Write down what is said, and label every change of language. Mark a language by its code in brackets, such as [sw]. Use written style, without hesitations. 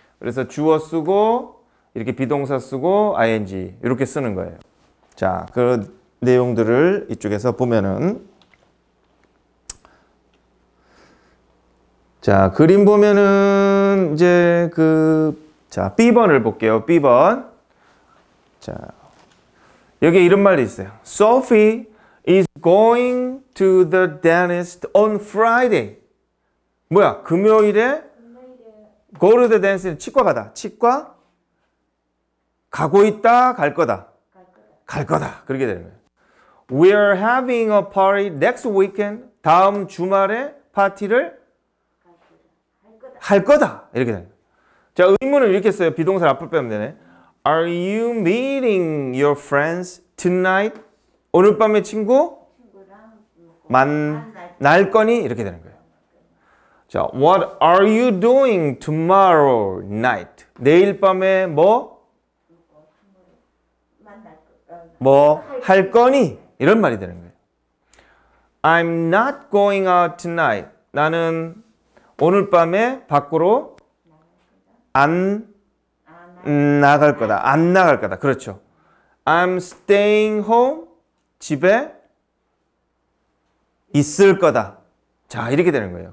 [ko] 그래서 주어 쓰고 이렇게 비동사 쓰고 ing 이렇게 쓰는 거예요. 자, 그 내용들을 이쪽에서 보면은 자, 그림 보면은 이제 그 자, B번을 볼게요. B번. 자. 여기 이런 말이 있어요. [en] Sophie is going to the dentist on Friday. [ko] 뭐야? 금요일에 [en] go to the dentist [ko] 치과 가다. 치과 가고 있다. 갈 거다. 갈 거다. 그렇게 되는 거예요. [en] We are having a party next weekend. [ko] 다음 주말에 파티를 할 거다. 이렇게 되는 거예요. 자, 의문을 이렇게 써요. 비동사 앞을 빼면 되네. [en] Are you meeting your friends tonight? [ko] 오늘 밤에 친구 만날 거니? 이렇게 되는 거예요. 자, [en] What are you doing tomorrow night? [ko] 내일 밤에 뭐 할 거니? 이런 말이 되는 거예요. [en] I'm not going out tonight. [ko] 나는 오늘 밤에 밖으로 안 나갈 거다. 안 나갈 거다. 그렇죠. [en] I'm staying home. [ko] 집에 있을 거다. 자, 이렇게 되는 거예요.